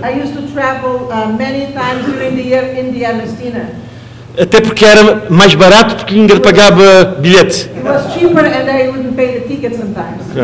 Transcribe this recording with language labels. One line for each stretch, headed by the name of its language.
English: I used to travel many times during the year in the Ernestina.
Portuguese: Até porque era mais barato, porque ainda pagava bilhete.
English: It was cheaper and I wouldn't pay the ticket sometimes.